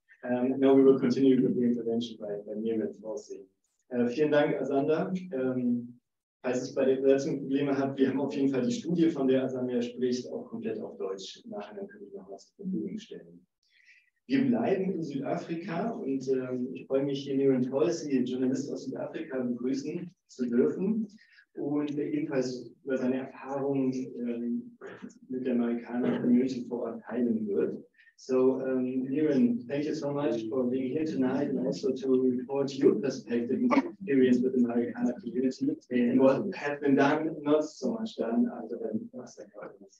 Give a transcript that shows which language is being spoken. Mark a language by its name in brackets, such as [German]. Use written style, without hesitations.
[English] Now we will continue with the intervention by Mirmet Forsi. [German] Vielen Dank, Asanda. Falls es bei der Übersetzung Probleme hat, wir haben auf jeden Fall die Studie, von der Asanda spricht, auch komplett auf Deutsch. Nachher können wir noch was zur Verfügung stellen. Wir bleiben in Südafrika und ich freue mich, hier Neon Tolsi, Journalist aus Südafrika, begrüßen zu dürfen. Und ebenfalls über seine Erfahrungen mit der amerikanischen Community vor Ort teilen wird. [English] So, Niren, thank you so much for being here tonight and also to report your perspective and experience with the Americana community and what has been done, not so much done, other than last year.